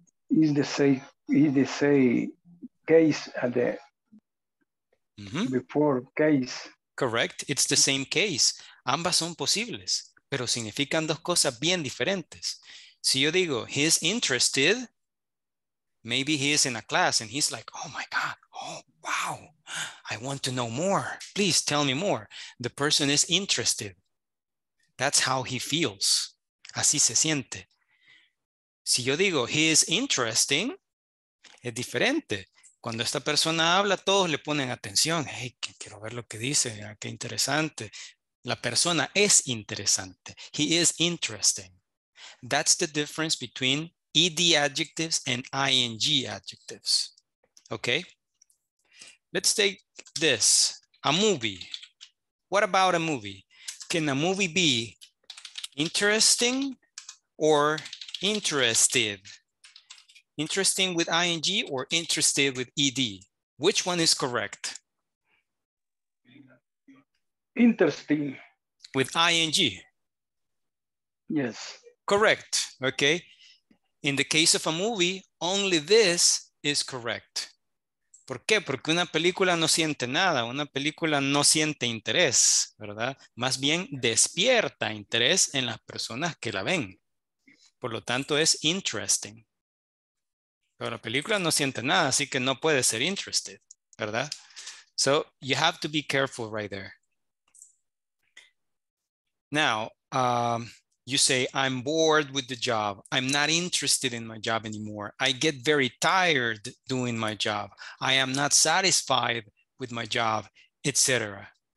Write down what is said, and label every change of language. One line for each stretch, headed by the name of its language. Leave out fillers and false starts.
English: Is the same, case at the before case. Correct. It's the same case.
Spanish: Ambas son posibles, pero significan dos cosas bien diferentes. Si yo digo,
English: he's interested, maybe he is in a class and he's like, oh my God, oh wow, I want to know more. Please tell me more. The person is interested. That's how he feels.
Spanish: Así se siente. Si yo digo,
English: he is interesting,
Spanish: es diferente. Cuando esta persona habla, todos le ponen atención. Hey, quiero ver lo que dice, qué interesante. La persona es interesante.
English: He is interesting. That's the difference between ed adjectives and ing adjectives. Okay? Let's take this. A movie. What about a movie? Can a movie be interesting or interested? Interesting with ing or interested with ed? Which one is correct? Interesting. With ing? Yes. Correct. Okay. In the case of a movie, only this is correct.
Spanish: ¿Por qué? Porque una película no siente nada. Una película no siente interés, ¿verdad? Más bien despierta interés en las personas que la ven. Por lo tanto, es interesting. Pero la película no siente nada, así que no puede ser interested, ¿verdad?
English: So, you have to be careful right there. Now, you say, I'm bored with the job. I'm not interested in my job anymore. I get very tired doing my job. I am not satisfied with my job, etc.